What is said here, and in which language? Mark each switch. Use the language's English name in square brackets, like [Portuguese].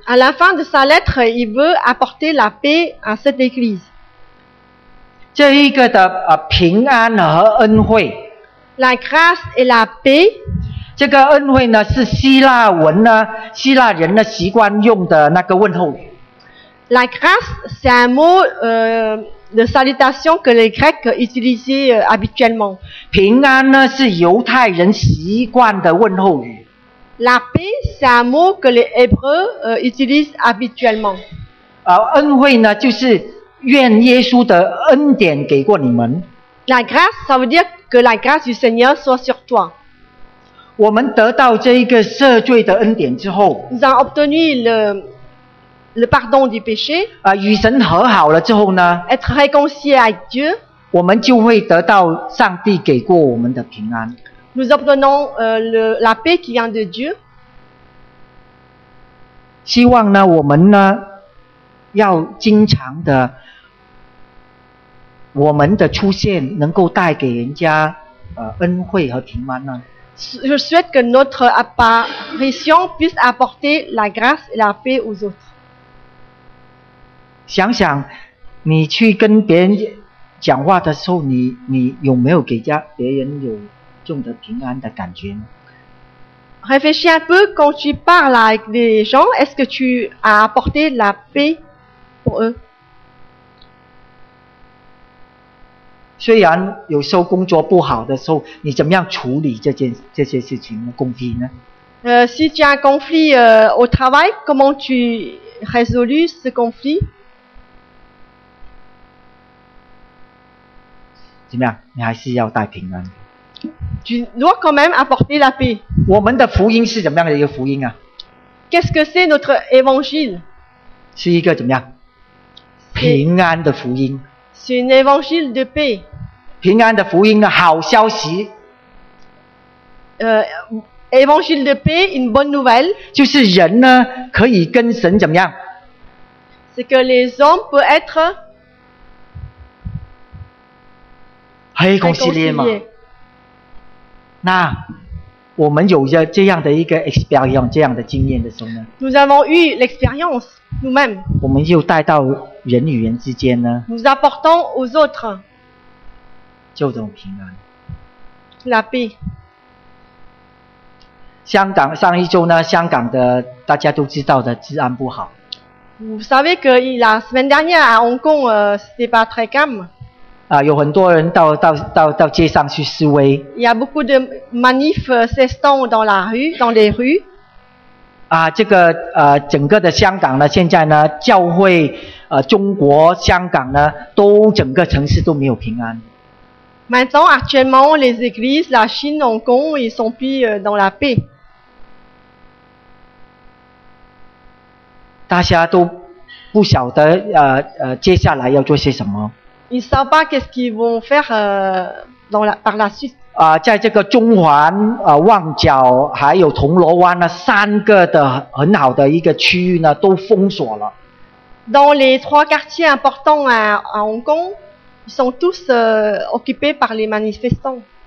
[French] À la fin de sa lettre, il veut apporter la paix à cette église. [Chinese] 这一个的平安和恩惠 [French] ，La grâce et la paix。 [Chinese] 这个恩惠呢，是希腊文呢，希腊人呢习惯用的那个问候语。 [French] La grâce, c'est un mot de salutation que les Grecs utilisaient habituellement。 [Chinese] 平安呢，是犹太人习惯的问候语。 [French] La paix, c'est un mot que les Hébreux utilisent habituellement。 [Chinese] 恩惠呢，就是。愿耶稣的恩典给过你们。 [French] La grâce, ça veut dire que la grâce du Seigneur soit sur toi. [Chinese] 我们得到这个赦罪的恩典之后 [French] Nous avons obtenu le pardon du péché. [Chinese] 与神和好了之后呢 [French] Être réconcilié à Dieu. [Chinese] 我们就会得到上帝给过我们的平安。 [French] Nous obtenons la paix qui vient de Dieu. [Chinese] 希望呢我们呢要经常的我们的出现能够带给人家恩惠和平安呢 [French] Je souhaite que notre apparition puisse apporter la grâce et la paix aux autres. [Chinese] 想想你去跟别人讲话的时候 你有没有给家别人有这种的平安的感觉呢 [French] Réfléchis un peu quand tu parles avec les gens, est-ce que tu as apporté la paix? [Chinese] 虽然有时候工作不好的时候，你怎么样处理这些事情呢？工作呢？ [French] Si tu as un conflit au travail, comment tu résolues ce conflit? [Chinese] 怎么样？你还是要带平安。 [French] Tu dois quand même apporter la paix. [Chinese] 我们的福音是怎么样的一个福音啊 [French] ？Qu'est-ce que c'est notre évangile? [Chinese] 是一个怎么样？平安的福音 [French] c'est un évangile de paix. [Chinese] 平安的福音呢，好消息。 [French] Évangile de paix, une bonne nouvelle. [Chinese] 就是人呢，可以跟神怎么样 [French] ？C'est que les hommes peuvent être. [Chinese] 嘿，恭喜你嘛！那我们有着这样的一个 experience， 这样的经验的时候呢 [French] ？Nous avons eu l'expérience nous-mêmes. [Chinese] 我们又带到。人与人之间呢 [French] ？Nous apportons aux autres. [Chinese] 就这种平安。 [French] La paix. [Chinese] 香港上一周呢，香港的大家都知道的治安不好。 [French] Vous savez que la semaine dernière à Hong Kong, c'était pas très calme. [Chinese] 有很多人到街上去示威。 [French] Il y a beaucoup de manifs s'estompent dans la rue, dans les rues. [Chinese] 这个整个的香港呢，现在呢，教会。中国香港呢都整个城市都没有平安。 [French] Maintenant, actuellement, les églises, la Chine, Hong Kong, ils sont plus dans la paix. [Chinese] 大家都不晓得接下来要做些什么。 [French] Ils ne savent pas qu'est-ce qu'ils vont faire par la suite. [Chinese] 在这个中环旺角还有铜锣湾呢三个的很好的一个区域呢都封锁了。 [French] Dans les trois quartiers importants à Hong Kong, ils sont tous occupés par les manifestants.